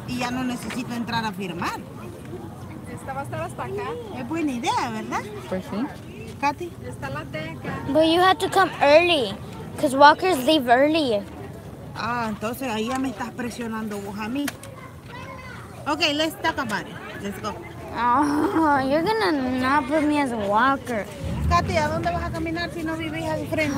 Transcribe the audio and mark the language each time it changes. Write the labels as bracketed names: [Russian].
[Spanish] Y ya no necesito entrar a firmar. Esta va a estar hasta acá. Es buena idea, ¿verdad? Pues sí. Katy. Está la teca. [English] But you have to come early. Because walkers leave early. [Spanish] Ah, entonces ahí ya me estás presionando vos a mí. [English] Ok, let's talk about it. Let's go. Oh, you're going to not put me as a walker. [Spanish] Katy, ¿a dónde vas a caminar si no vivís al frente?